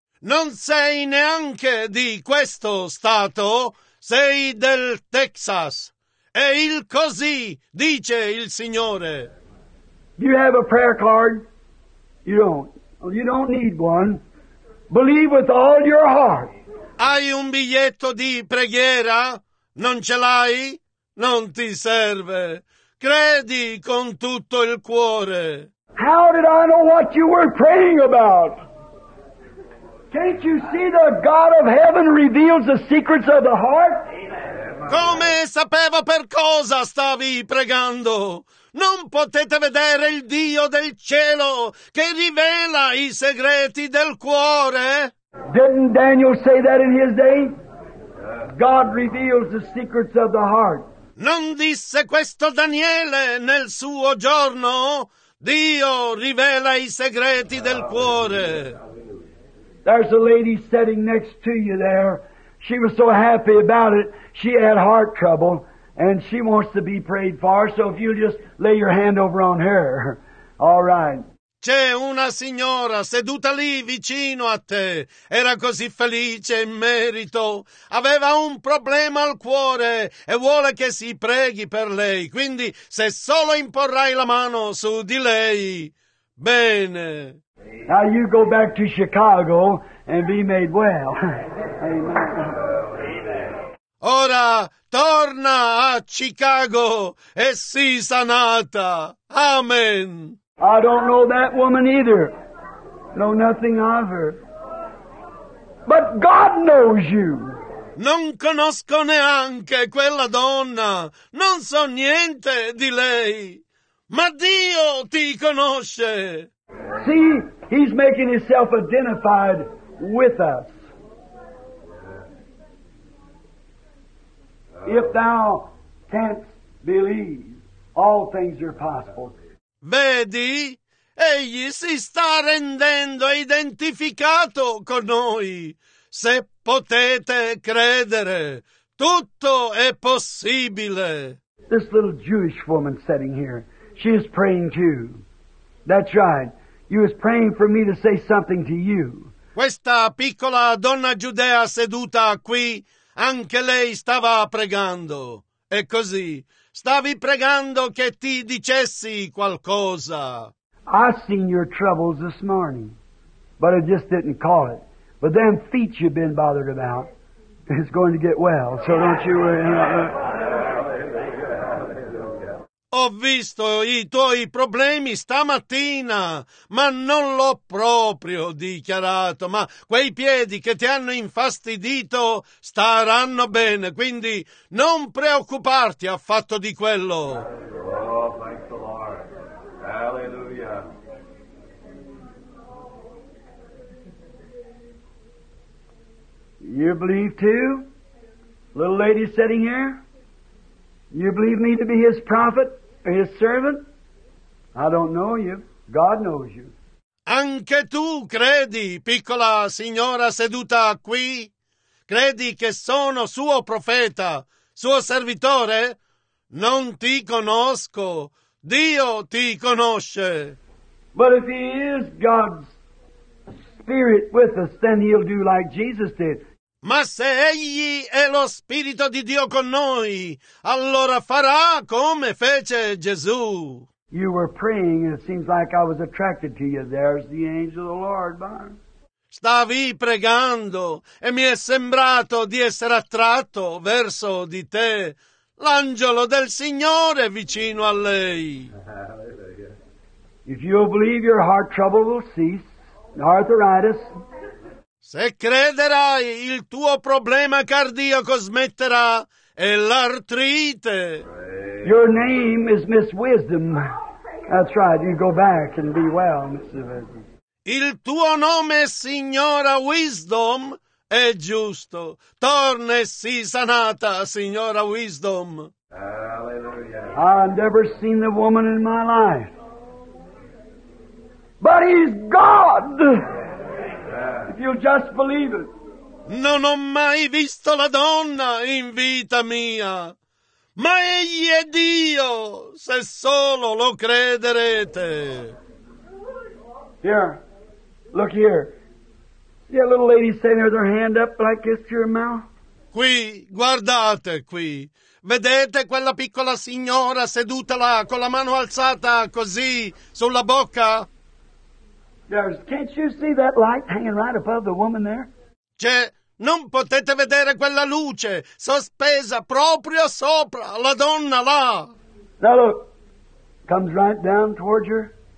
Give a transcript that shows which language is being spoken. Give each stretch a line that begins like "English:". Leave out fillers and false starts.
Italian: Non sei neanche di questo stato, sei del Texas. E il così dice il Signore.
English: Do you have a prayer card? You don't. Well, you don't need one. Believe with all your heart.
Italian: Hai un biglietto di preghiera? Non ce l'hai? Non ti serve. Credi con tutto il cuore.
English: How did I know what you were praying about? Can't you see the God of heaven reveals the secrets of the heart?
Italian: Come sapevo per cosa stavi pregando? Non potete vedere il Dio del cielo che rivela i segreti del cuore?
English: Didn't Daniel say that in his day? God reveals the secrets of the heart.
Italian: Non disse questo Daniele nel suo giorno? Dio rivela i segreti del cuore.
English: There's a lady sitting next to you there. She was so happy about it. She had heart trouble and she wants to be prayed for. So if you just lay your hand over on her. All right.
Italian: C'è una signora seduta lì vicino a te. Era così felice in merito. Aveva un problema al cuore e vuole che si preghi per lei. Quindi se solo imporrai la mano su di lei, bene.
English: Now you go back to Chicago and be made well. Amen.
Italian: Ora torna a Chicago e sii sanata. Amen.
English: I don't know that woman either. Know nothing of her. But God knows you.
Italian: Non conosco neanche quella donna. Non so niente di lei. Ma Dio ti conosce.
English: See, he's making himself identified with us. If thou canst believe, all things are possible.
Italian: Vedi, egli si sta rendendo identificato con noi. Se potete credere, tutto è possibile.
English: This little Jewish woman sitting here, she is praying too. That's right. You was praying for me to say something to you.
Italian: Questa piccola donna giudea seduta qui, anche lei stava pregando. E così. Stavi pregando che ti dicessi qualcosa.
English: I seen your troubles this morning, but I just didn't call it. But them feet you've been bothered about is going to get well, so don't you worry.
Italian: Ho visto i tuoi problemi stamattina, ma non l'ho proprio dichiarato. Ma quei piedi che ti hanno infastidito staranno bene, quindi non preoccuparti affatto di quello.
English: Oh, thank the Lord. Hallelujah. You believe too? Little lady sitting here? You believe me to be his prophet? His servant? I don't know you. God knows you.
Italian: Anche tu credi, piccola signora seduta qui? Credi che sono suo profeta, suo servitore? Non ti conosco. Dio ti conosce.
English: But if he is God's spirit with us, then he'll do like Jesus did.
Italian: Ma se egli è lo Spirito di Dio con noi, allora farà come fece Gesù.
English: You were praying and it seems like I was attracted to you. There's the angel of the Lord, Barnes.
Italian: Stavi pregando e mi è sembrato di essere attratto verso di te. L'angelo del Signore vicino a lei.
English: If you believe, your heart trouble will cease. Arthritis.
Italian: Se crederai, il tuo problema cardiaco smetterà e l'artrite.
English: Your name is Miss Wisdom. That's right, you go back and be well, Miss Wisdom.
Italian: Il tuo nome è Signora Wisdom? È giusto. Torna e sii sanata, Signora Wisdom. Hallelujah.
English: I've never seen the woman in my life. But he's God! If you'll just believe it.
Italian: Non ho mai visto la donna in vita mia. Ma egli è Dio, se solo lo crederete.
English: Here, look here. See a little lady standing with her hand up like this to your mouth?
Italian: Qui, guardate qui. Vedete quella piccola signora seduta là, con la mano alzata, così, sulla bocca?
English: Can't you see that light hanging right above the woman there?
Italian: C'è... Non potete vedere quella luce sospesa proprio sopra la donna là.
English: Now look, comes right down towards her.